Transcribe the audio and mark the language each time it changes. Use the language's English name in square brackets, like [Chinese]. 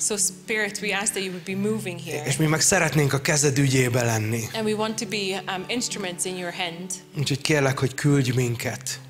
[English] So Spirit, we ask that you would be moving here. [Hungarian] És mi meg szeretnénk a kezed ügyébe lenni. [English] And we want to be instruments in your hand. [Hungarian] Úgyhogy kérlek, hogy küldj minket.